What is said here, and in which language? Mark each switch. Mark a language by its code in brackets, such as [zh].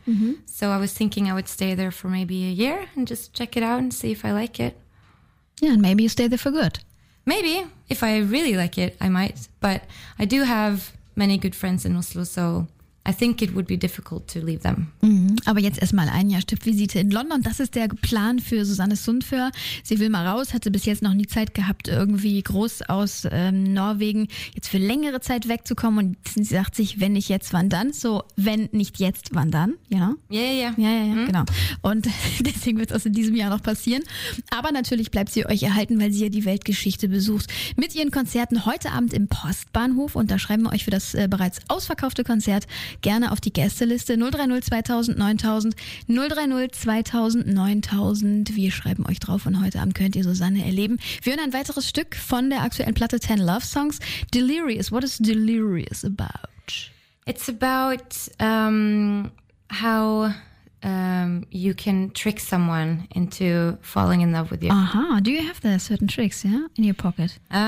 [en] Mm-hmm. So I was thinking I would stay there for maybe a year and just check it out and see if I like it. Yeah, and maybe you stay there for good. Maybe. If I really like it, I might. But I do have many good friends in Oslo, so... I think it would be difficult to leave them. Mm-hmm. [de] Aber jetzt erstmal ein Jahr Stippvisite in London. Das ist der Plan für Susanne Sundfør. Sie will mal raus, hatte bis jetzt noch nie Zeit gehabt, irgendwie groß aus Norwegen jetzt für längere Zeit wegzukommen. Und sie sagt sich, wenn nicht jetzt, wann dann? So, wenn nicht jetzt, wann dann? Ja, ja, ja. Ja, ja, ja, genau. Und deswegen wird es auch in diesem Jahr noch passieren. Aber natürlich bleibt sie euch erhalten, weil sie ja die Weltgeschichte besucht. Mit ihren Konzerten heute Abend im Postbahnhof. Und da schreiben wir euch für das bereits ausverkaufte Konzert gerne auf die Gästeliste 030 2000 9000 030 2000 9000. Wir schreiben euch drauf und heute Abend könnt ihr Susanne erleben. Wir hören ein weiteres Stück von der aktuellen Platte 10 Love Songs. [en] Delirious. What is Delirious about? It's about how you can trick someone into falling in love with you. Aha, do you have there certain tricks, yeah, in your pocket?